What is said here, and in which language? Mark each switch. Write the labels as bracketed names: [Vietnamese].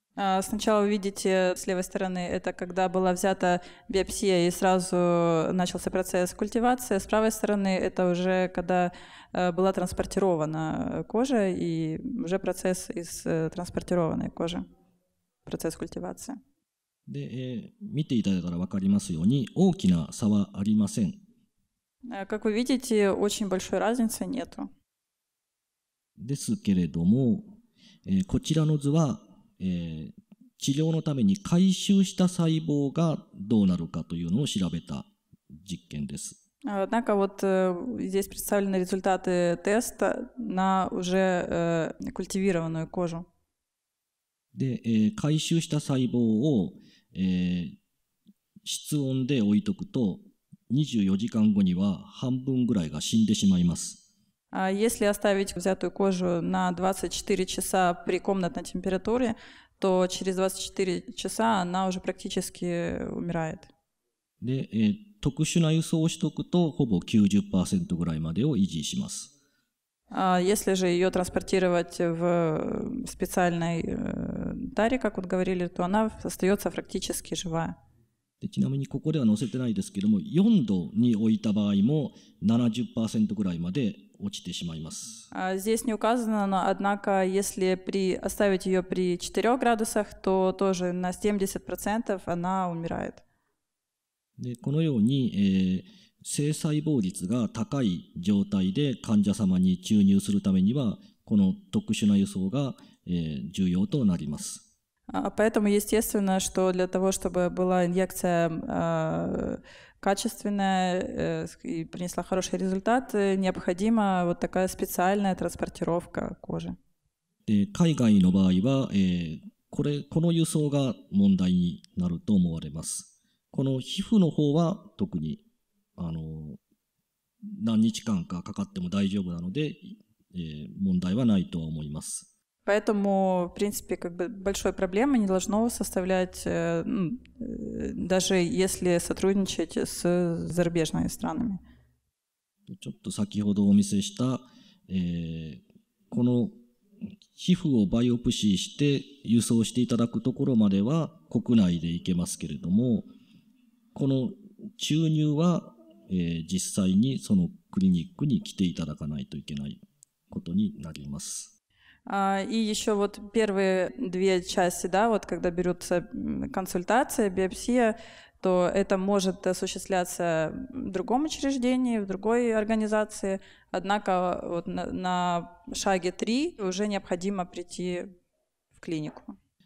[Russian] Сначала видите с левой стороны, это когда была взята биопсия и сразу начался процесс культивации. С правой стороны, это уже когда была транспортирована кожа и уже процесс из транспортированной кожи, процесс культивации. [Japanese] で、見ていただいたら分かりますように、大きな差はありません。 [Russian] Как вы видите, очень большой разницы нету. [Japanese] ですけれども、こちらの図は、治療のために回収した細胞がどうなるかというのを調べた実験です。 [Russian] Однако вот здесь представлены результаты теста на уже культивированную кожу。 [Japanese] で、回収した細胞を、室温で置いとくと、24時間後には半分ぐらいが死んでしまいます。 [Russian] Если оставить взятую кожу на 24 часа при комнатной температуре, то через 24 часа она уже практически умирает. [Japanese] で、特殊な輸送をしておくと、ほぼ 90% ぐらいまでを維持します。 [Russian] Если же ее транспортировать в специальной таре, как вот говорили, то она остается практически живая. [Japanese] でちなみにここでは載せてないですけども、4度に置いた場合も 70% ぐらいまで落ちてしまいます。 [Russian] Здесь не указано, но однако, если оставить ее при 4 градусах, то тоже на 70% она умирает. [Japanese] でこのように、性細胞率が高い状態で患者様に注入するためには、この特殊な輸送が、重要となります。 [Russian] Поэтому естественно, что для того, чтобы была инъекция качественная и принесла хороший результат, необходима вот такая специальная транспортировка кожи. [Japanese] で、海外の場合は、この輸送が問題になると思われます。この皮膚の方は特に何日間かかかっても大丈夫なので、問題はないと思います。 [Russian] Поэтому, в принципе, как бы большой проблемы не должно составлять, даже если сотрудничать с зарубежными странами. [Japanese] ちょっと先ほどお見せした、この皮膚をバイオプシーして輸送していただくところまでは国内で行けますけれども、この注入は、実際にそのクリニックに来ていただかないといけないことになります。 [Russian] И еще вот первые две части, да, вот когда берется консультация, биопсия, то это может осуществляться в другом учреждении, в другой организации. Однако вот на шаге 3 уже необходимо прийти в клинику.